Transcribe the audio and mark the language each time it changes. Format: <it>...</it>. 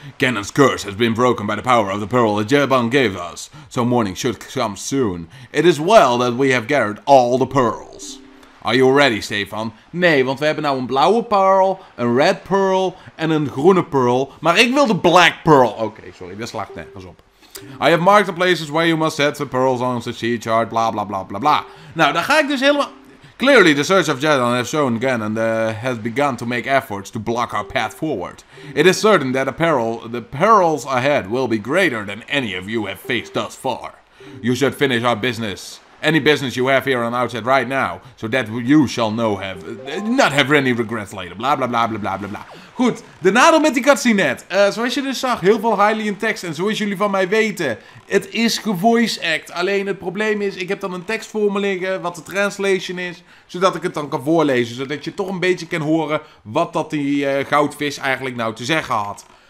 <en>Ganon's curse has been broken by the power of the pearl that Jaban gave us. So morning should come soon. It is well that we have gathered all the pearls. Are you ready, Stefan?</en> <nl>Nee, want we hebben nou een blauwe pearl, een red pearl en een groene pearl. Maar ik wil de black pearl. Okay, sorry, dat slaat nergens op.</nl> <en>I have marked the places where you must set the pearls on the sea chart, bla bla bla bla bla.</en> <nl>Nou, daar ga ik dus helemaal...</nl> <en>Clearly, the search of Jaban has shown Ganon has begun to make efforts to block our path forward. It is certain that the perils ahead will be greater than any of you have faced thus far. You should finish our business, any business you have here on Outset right now, so that you shall not have any regrets later. Blah, blah, blah, blah, blah, blah, blah.</en> <nl>Goed, de nadeel met die cutscene net. Zoals je dus zag, heel veel Hylian tekst. En zoals jullie van mij weten, het is gevoice-act. Alleen het probleem is, ik heb dan een tekst voor me liggen, wat de translation is. Zodat ik het dan kan voorlezen. Zodat je toch een beetje kan horen wat dat die goudvis eigenlijk nou te zeggen had.</nl>